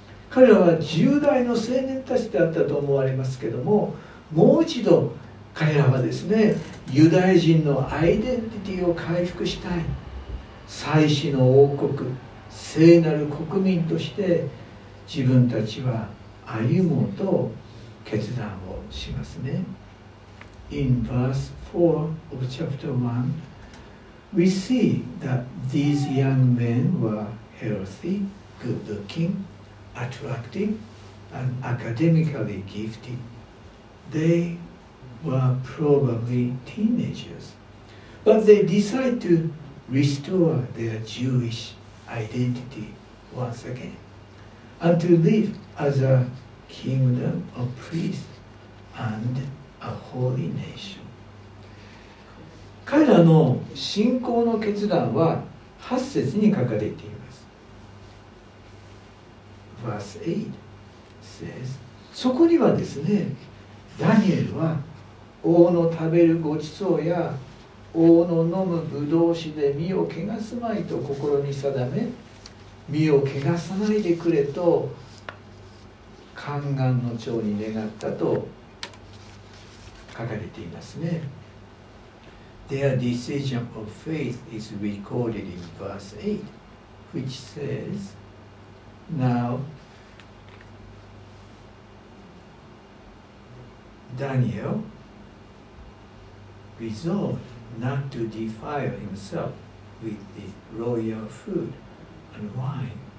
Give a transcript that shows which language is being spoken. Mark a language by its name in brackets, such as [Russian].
[Japanese] 彼らは10代の青年たちであったと思われますけども、もう一度彼らはですね、ユダヤ人のアイデンティティを回復したい。祭司の王国、聖なる国民として自分たちは歩もうと決断をしますね。 [English] In verse 4 of chapter 1, we see that these young men were healthy, good looking, attractive, and academically gifted. They were probably teenagers, but they decided to restore their Jewish identity once again, and to live as a kingdom of priests and a holy nation. [Japanese] 彼らの信仰の決断は8節に書かれています。 [English] Verse 8 says, [Japanese] そこにはですね、ダニエルは王の食べるごちそうや王の飲むぶどう酒で身を汚すまいと心に定め、身を汚さないでくれと宦官の長に願ったと書かれていますね。 [English] Their decision of faith is recorded in verse 8, which says, Now Daniel resolvedNot to defile himself with the royal food and wine.